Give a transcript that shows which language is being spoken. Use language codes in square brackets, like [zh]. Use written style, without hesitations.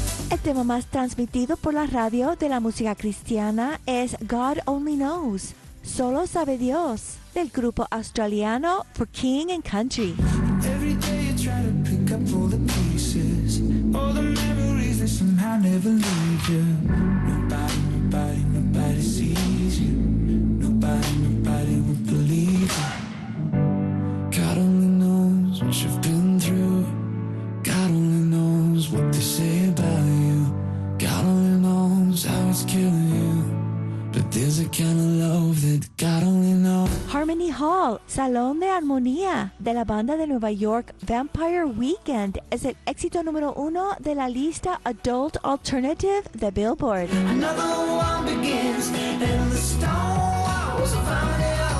[es] El tema más transmitido por la radio de la música cristiana es God Only Knows, Solo Sabe Dios, del grupo australiano For King and Country. [en] Every day you try to pick up all the pieces, all the memories that somehow never leave you. Nobody, nobody, nobody sees you. Nobody, nobody will believe you. God only knows what you've been through. God only knows what to say about you. God only knows how it's killing you. But there's a kind of love that God only knows. [es] Harmony Hall, Salón de Armonía, de la banda de Nueva York Vampire Weekend, es el éxito número uno de la lista Adult Alternative de Billboard. [en] Another one begins and the stone walls of finding.